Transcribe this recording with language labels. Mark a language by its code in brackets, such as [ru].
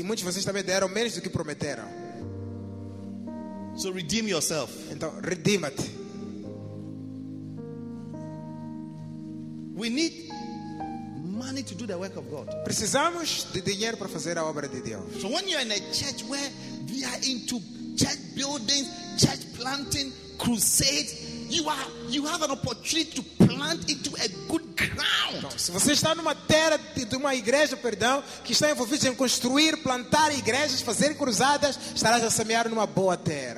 [pt] E muitos de vocês também deram menos do que prometeram. [en] So redeem yourself. [pt] Então, redima-te. [en] We need money to do the work of God. [pt] Precisamos de dinheiro para fazer a obra de Deus. [en] So when you're in a church where we are into church building, church planting, crusade, you have an opportunity to plant into a good ground. [pt] Então, se você está numa terra de uma igreja, perdão, que está envolvida em construir, plantar igrejas, fazer cruzadas, estarás a semear numa boa terra.